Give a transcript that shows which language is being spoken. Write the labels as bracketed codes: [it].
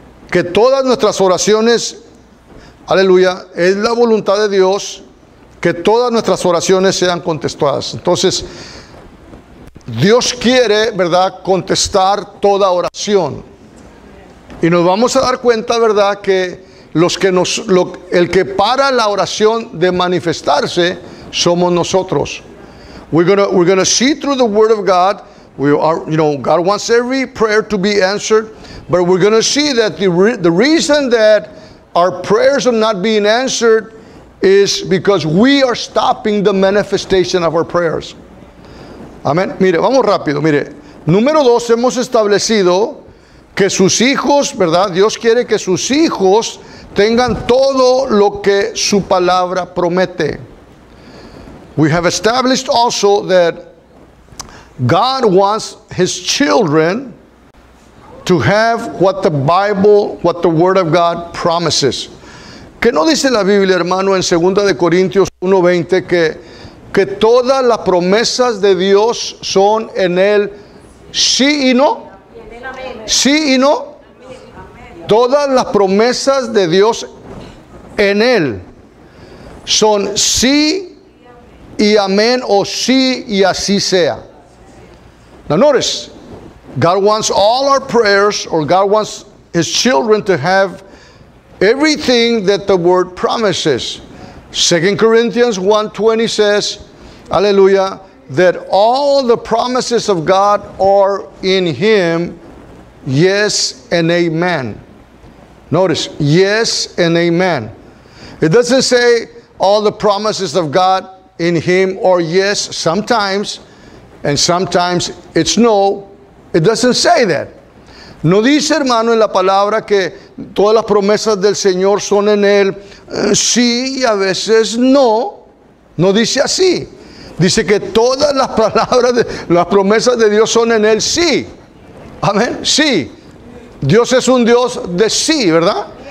[es] Que todas nuestras oraciones, aleluya, es la voluntad de Dios que todas nuestras oraciones sean contestadas. Entonces, Dios quiere, ¿verdad?, contestar toda oración. Y nos vamos a dar cuenta, ¿verdad?, que el que para la oración de manifestarse somos nosotros. [en] We're gonna see through the word of God. We are, you know, God wants every prayer to be answered, but we're gonna see that the reason that our prayers are not being answered is because we are stopping the manifestation of our prayers. [es] Amen. Mire, vamos rápido. Mire, número dos, hemos establecido que sus hijos, ¿verdad? Dios quiere que sus hijos tengan todo lo que su palabra promete. [en] We have established also that God wants his children to have what the Bible, what the word of God promises. [es] ¿Qué no dice la Biblia, hermano, en 2 Corintios 1:20 que todas las promesas de Dios son en él sí y no? Sí y no. Todas las promesas de Dios en él son sí y amén, o sí y así sea. [en] Now notice, God wants all our prayers, or God wants his children to have everything that the word promises. 2 Corinthians 1:20 says, aleluya, that all the promises of God are in him, yes and amen. Notice, yes and amen. It doesn't say all the promises of God in him or yes sometimes and sometimes it's no. It doesn't say that. [es] No dice, hermano, en la palabra que todas las promesas del Señor son en él sí y a veces no. No dice así. Dice que todas las palabras de las promesas de Dios son en él sí. Amén. Sí. Dios es un Dios de sí, ¿verdad?